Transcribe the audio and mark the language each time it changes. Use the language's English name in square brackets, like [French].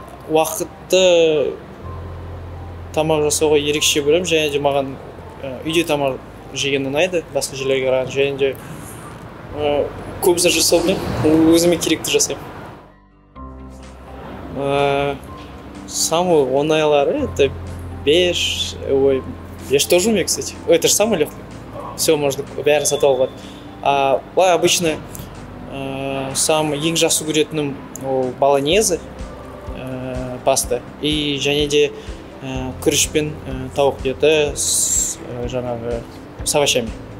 [Kazakh] Уақытты тамақ жасауға ерекше бөлем. Және де маған үйде тамақ жеген ұнайды, басқа жерлерге қарағанда. Және де көп зат жасаймын, өзіме керекті жасаймын. [Russian] Самый [Kazakh] оңайлары [Russian] это 5, ой, я же тоже умею, кстати. Ой, это же самый легкий. Все, можно [Kazakh] бәрін сатып алуға. [Russian] Ой, обычно самый [Kazakh] ең жақсы көретінім ол баланезе паста. И және де күрішпен тауық еті жаңағы [Russian] с овощами.